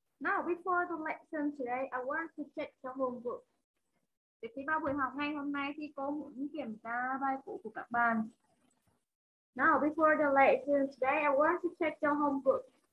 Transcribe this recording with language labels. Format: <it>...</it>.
<en>Now, before the lecture today, I want to check the homework.</en> <vi>Để khi vào buổi học ngày hôm nay thì cô muốn kiểm tra bài cũ của các bạn.</vi> <en>Now, before the lecture today, I want to check the homework.</en>